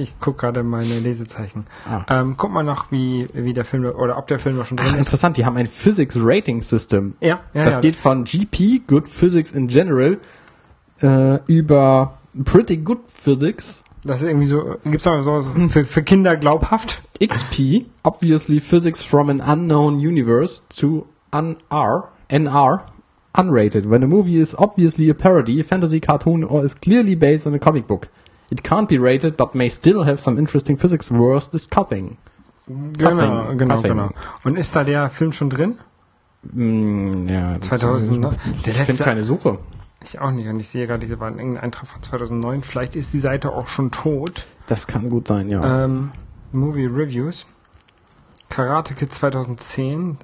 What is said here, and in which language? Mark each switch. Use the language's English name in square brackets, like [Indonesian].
[German] Ich guck gerade meine Lesezeichen. Ah. Guck mal noch, wie der Film, oder ob der Film noch schon drin ist. Interessant, die haben ein Physics Rating System. Ja. Geht von GP, Good Physics in General, über Pretty Good Physics. Das ist irgendwie so, gibt's aber sowas für Kinder glaubhaft. [English] XP, Obviously Physics from an Unknown Universe to NR. Unrated. When a movie is obviously a parody, fantasy cartoon, or is clearly based on a comic book, it can't be rated, but may still have some interesting physics worth discussing. [German] Genau. Und ist da der Film schon drin? Ja. 2000. Ich finde keine Suche. Ich auch nicht. Und ich sehe gerade, hier war ein Eintrag von 2009. Vielleicht ist die Seite auch schon tot. Das kann gut sein, ja. [English] Movie Reviews. Karate Kid 2010.